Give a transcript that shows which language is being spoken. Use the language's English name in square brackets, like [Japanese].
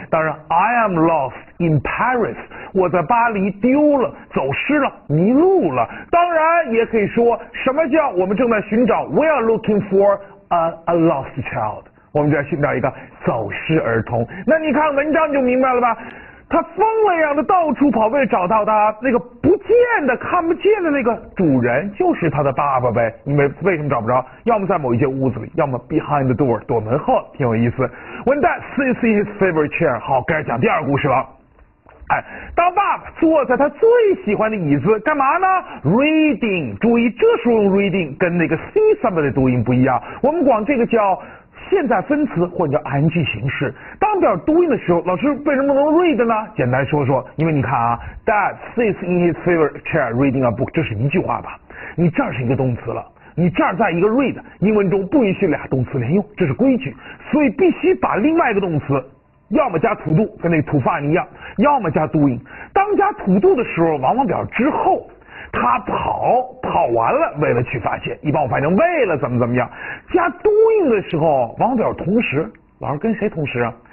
[English] 当然 ，I am lost in Paris. [Chinese] 我在巴黎丢了，走失了，迷路了。当然，也可以说什么叫我们正在寻找 ， [English] We are looking for a lost child. [Chinese] 我们在寻找一个走失儿童。那你看文章就明白了吧？他疯了一样的到处跑，为了找到他那个不见的、看不见的那个主人，就是他的爸爸呗。因为为什么找不着？要么在某一间屋子里，要么 [English] behind the door [Chinese] 躲门后，挺有意思。 [English] When dad sits in his favorite chair， [Chinese] 好，该讲第二故事了。哎，当爸爸坐在他最喜欢的椅子，干嘛呢 ？Reading， 注意，这时候用 reading 跟那个 see somebody 的读音不一样，我们管这个叫。现在分词或者叫 ing 形式，当表 doing 的时候，老师为什么能 read 呢？简单说说，因为你看啊 ， [English] Dad sits in his favorite chair reading a book， [Chinese] 这是一句话吧？你这儿是一个动词了，你这儿在一个 read， 英文中不允许俩动词连用，这是规矩，所以必须把另外一个动词，要么加 to do， 跟那个 to find 一样，要么加 doing。当加 to do 的时候，往往表之后。他跑完了，为了去发现，一般我发现为了怎么怎么样，加 doing 的时候，往往表同时，老师跟谁同时啊？